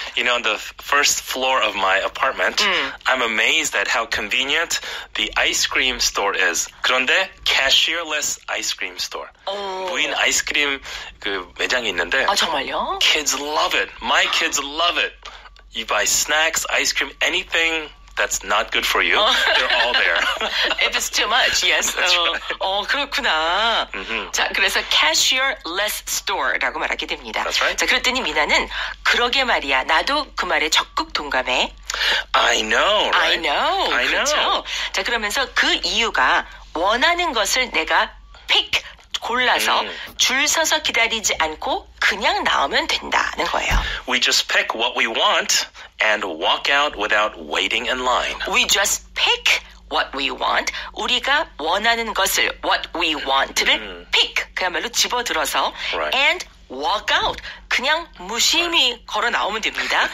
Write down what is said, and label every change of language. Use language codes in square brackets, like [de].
[en] You know, on the first floor of my apartment, I'm amazed at how convenient the ice cream store is. [ko] 그런데 cashierless ice cream store. 무인 아이스크림 그 매장이 있는데. 아 정말요? [en] Kids love it. My kids love it. You buy snacks, ice cream, anything. That's not good for you. They're all there. If it's too much, yes. That's right. [ko] 그렇구나. Mm-hmm. 자, 그래서 cashierless store라고 말하게 됩니다. [en] That's right. [ko] 자, 그랬더니 미나는 그러게 말이야. 나도 그 말에 적극 동감해. [en] I know, right? I know. I know. [ko] 그렇죠? 자, 그러면서 그 이유가 원하는 것을 내가 pick, 골라서 줄 서서 기다리지 않고 그냥 나오면 된다는 거예요. [en] We just pick what we want and walk out without waiting in line. We just pick what we want. [ko] 우리가 원하는 것을 [en] what we want를 pick [ko] 그야말로 집어들어서 [en] right. and walk out [ko] 그냥 무심히 right. 걸어 나오면 됩니다.